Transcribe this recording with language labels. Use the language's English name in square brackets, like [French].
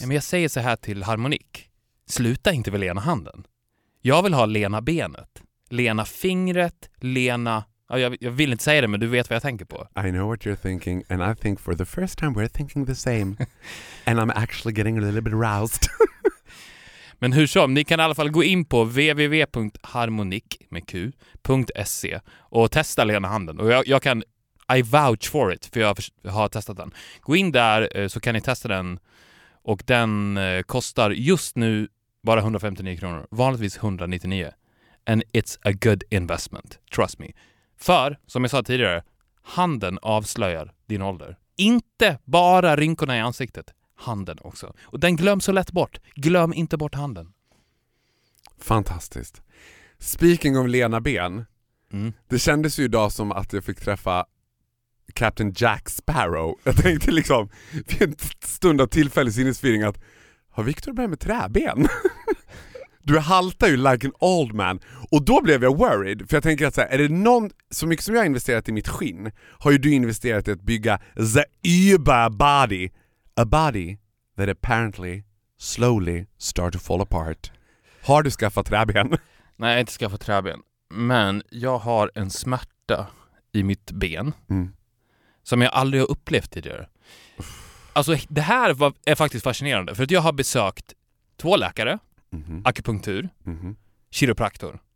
[Swedish] Ja, men jag säger så här till Harmonique. Sluta inte med Lena Handen. Jag vill ha Lena benet. Lena fingret, Lena... Jag vill inte säga det, men du vet vad jag tänker på. [English] I know what you're thinking, and I think for the first time we're thinking the same. And I'm actually getting a little bit aroused. [Swedish] Men hur som, ni kan i alla fall gå in på www.harmonique.se och testa Lena Handen. Och jag kan, [English] I vouch for it, [Swedish] för jag har testat den. Gå in där så kan ni testa den. Och den kostar just nu bara 159 kronor. Vanligtvis 199. [English] And it's a good investment, trust me. [Swedish] För, som jag sa tidigare, handen avslöjar din ålder. Inte bara rynkorna i ansiktet, handen också. Och den glöms så lätt bort. Glöm inte bort handen. Fantastiskt. [English] Speaking of [Swedish] Lena Ben, det kändes ju idag som att jag fick träffa Captain Jack Sparrow. Jag tänkte liksom, vid en stund av tillfällig sinnesförvirring att har Victor börjat med träben? Du haltar ju [English] like an old man. [Swedish] Och då blev jag worried. För jag tänker att så här, är det någon, så mycket som jag har investerat i mitt skinn har ju du investerat i att bygga [English] the uber body. A body that apparently slowly start to fall apart. [Swedish] Har du skaffat träben? Nej, jag har inte skaffat träben. Men jag har en smärta i mitt ben. Som jag aldrig har upplevt tidigare. Alltså det här är faktiskt fascinerande. För att jag har besökt 2 läkare. Akupunktur, kiropraktor.